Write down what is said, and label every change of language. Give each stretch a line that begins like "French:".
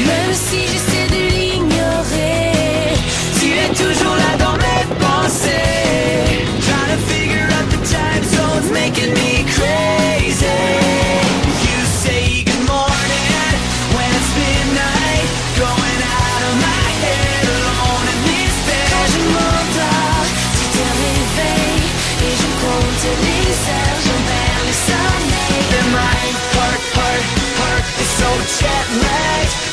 French: Et même si j'essaie de l'ignorer, tu es toujours là dans mes pensées.
English: Trying to figure out the time zones making me crazy. You say good morning when it's midnight. Going out of my head alone in this bed.
French: Quand je m'endors, tu te réveilles. Et je compte les heures, j'en perds le sommeil.
English: Then my heart, heart, it's so jet lagged.